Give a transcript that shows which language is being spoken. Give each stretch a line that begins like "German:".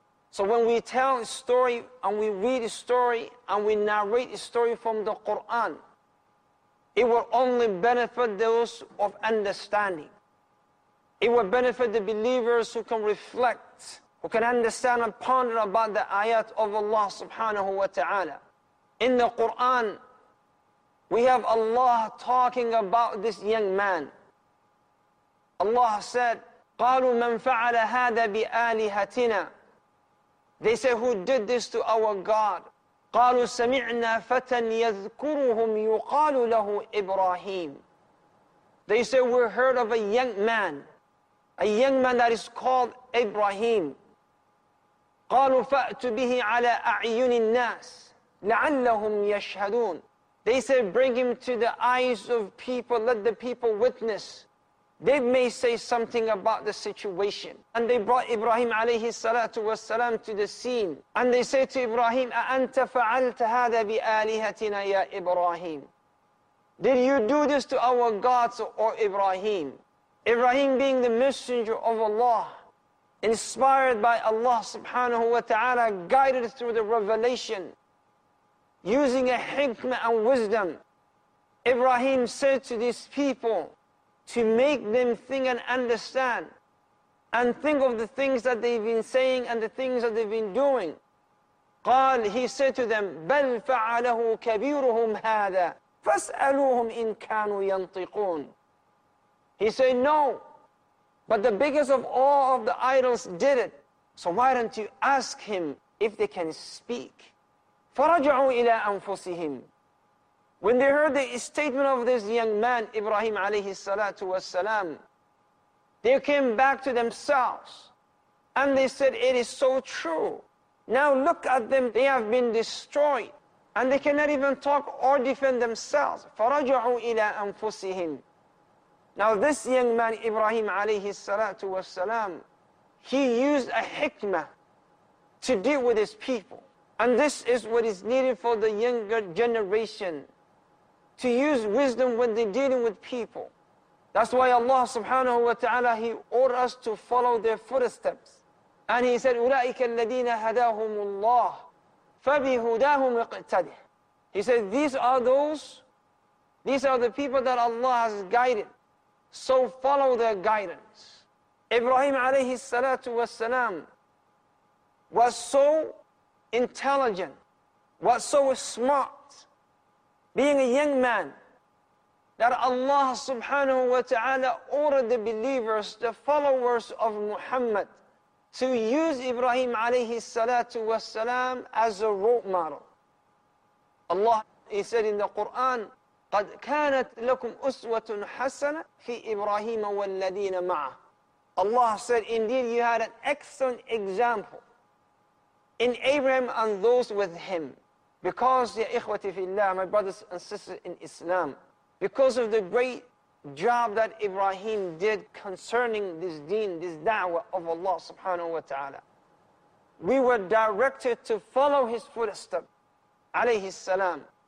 English: So when we tell a story and we read a story and we narrate a story from the Quran, it will only benefit those of understanding. It will benefit the believers who can reflect, who can understand and ponder about the ayat of Allah subhanahu wa ta'ala. In the Quran, we have Allah talking about this young man. Allah said,
Arabic: قَالُوا مَنْ فَعَلَ هَذَا بِآلِهَتِنَا.
English: They say, who did this to our God?
Arabic: قَالُوا سَمِعْنَا فَتًا يَذْكُرُهُمْ يُقَالُ لَهُ إِبْرَاهِيمُ.
English: They say, we heard of a young man that is called Ibrahim.
Arabic: قَالُوا فَأْتُ بِهِ عَلَىٰ أَعْيُنِ النَّاسِ لَعَلَّهُمْ يَشْهَدُونَ.
English: They say, bring him to the eyes of people, let the people witness. They may say something about the situation. And they brought Ibrahim alayhi salatu wasalam to the scene. And they say to Ibrahim,
Arabic: أَأَنْتَ فَعَلْتَ هَذَا بِآلِهَتِنَا يَا إِبْرَاهِيمُ.
English: Did you do this to our gods, or Ibrahim? Ibrahim being the messenger of Allah, inspired by Allah subhanahu wa ta'ala, guided through the revelation, using a hikmah and wisdom, Ibrahim said to these people, to make them think and understand and think of the things that they've been saying and the things that they've been doing.
Arabic: قال,
English: he said to them,
Arabic: بَلْ فَعَلَهُ كَبِيرُهُمْ هَذَا فَاسْأَلُوهُمْ إِن كَانُوا يَنْطِقُونَ.
English: He said, no, but the biggest of all of the idols did it. So why don't you ask him if they can speak?
Arabic: فَرَجَعُوا إِلَىٰ أَنفُسِهِمْ.
English: When they heard the statement of this young man, Ibrahim alayhi salatu wasalam, they came back to themselves and they said, it is so true. Now look at them, they have been destroyed and they cannot even talk or defend themselves.
Arabic: فَرَجَعُوا إِلَىٰ أَنفُسِهِمْ.
English: Now this young man, Ibrahim alayhi salatu wasalam, he used a hikmah to deal with his people. And this is what is needed for the younger generation, to use wisdom when they're dealing with people. That's why Allah subhanahu wa ta'ala, he ordered us to follow their footsteps. And he said,
Arabic: أُولَٰئِكَ الَّذِينَ هَدَاهُمُ اللَّهِ فَبِهُدَاهُمْ اِقْتَدِهِ.
English: He said, these are the people that Allah has guided. So follow their guidance. Ibrahim alayhi salatu wasalam was so intelligent, was so smart, being a young man, that Allah subhanahu wa ta'ala ordered the believers, the followers of Muhammad, to use Ibrahim alayhi salatu wasalam as a role model. Allah, he said in the Quran,
Arabic: قَدْ كَانَتْ لَكُمْ أُسْوَةٌ حَسَنَةٌ فِي إِبْرَاهِيمَ وَالَّذِينَ مَعَهُ.
English: Allah said, indeed, you had an excellent example in Abraham and those with him. Because,
Arabic: ya ikhwati fi Allah,
English: my brothers and sisters in Islam, because of the great job that Ibrahim did concerning this deen, this da'wah of Allah subhanahu wa ta'ala, we were directed to follow his footsteps, alayhi salam.